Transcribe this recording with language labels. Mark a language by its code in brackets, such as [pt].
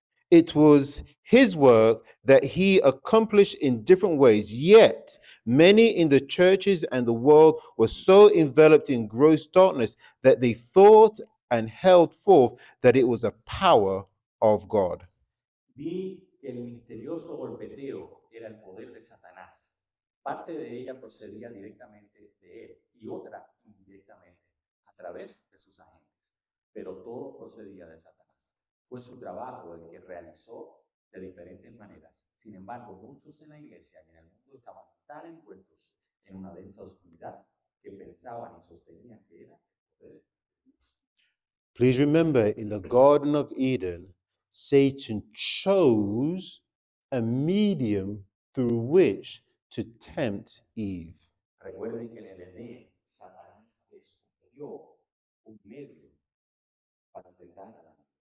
[en] It was his work that he accomplished in different ways. Yet many in the churches and the world were so enveloped in gross darkness that they thought and held forth that it was a power of God. [es] Vi que el misterioso golpeteo era el poder de Satanás. Parte de ella procedía directamente de él y otra indirectamente a través de sus agentes. Pero todo procedía de Satanás. Fue su trabajo el que realizó de diferentes maneras. Sin embargo, muchos en la iglesia y en el mundo estaban tan envueltos en una densa oscuridad que pensaban y sostenían que era. [en] Please remember, in the Garden of Eden, Satan chose a medium through which to tempt Eve. [es] Recuerden que en el Edén, Satanás escogió un medio para tentar a la.